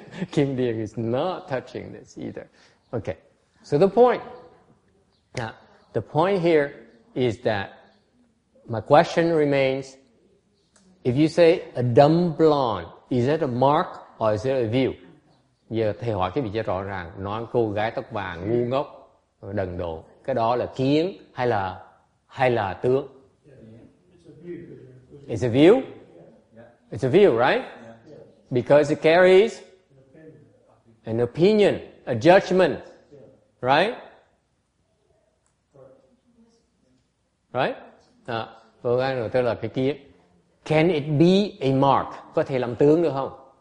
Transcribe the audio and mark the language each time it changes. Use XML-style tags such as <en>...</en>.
<en>Kim Dieng is not touching this either. Okay, so the point. Now, the point here is that my question remains, if you say a dumb blonde, is it a mark or is it a view?</en> <vi>Giờ thầy hỏi cái vị trí rõ ràng, nói cô gái tóc vàng ngu ngốc, đần độn, cái đó là kiến hay là tướng?</vi> <en>It's a view. It's a view, right? Because it carries an opinion, a judgment, right? Right?</en> <vi>Vô ngay rồi tôi là cái kiến.</vi> <en>Can it be a mark?</en> <vi>Có thể làm tướng được không?</vi>